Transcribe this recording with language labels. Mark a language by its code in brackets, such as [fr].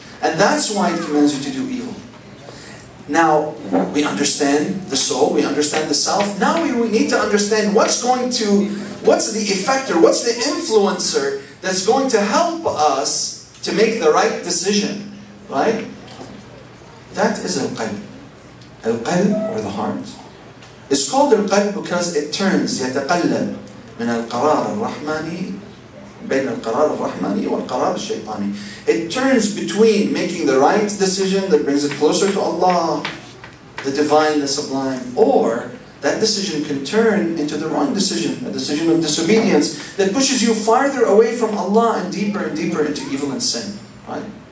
[en] And that's why it commands you to do evil. Now, we understand the soul, we understand the self. Now we need to understand what's the effector, what's the influencer that's going to help us to make the right decision, right? That is al-qalb. Al-qalb, or the heart. It's called al-qalb because it turns, [ar] يتقلب من القرار الرحماني بين القرار الرحماني والقرار الشيطاني. [en] It turns between making the right decision that brings it closer to Allah, the divine, the sublime, or that decision can turn into the wrong decision, a decision of disobedience that pushes you farther away from Allah and deeper into evil and sin. Right?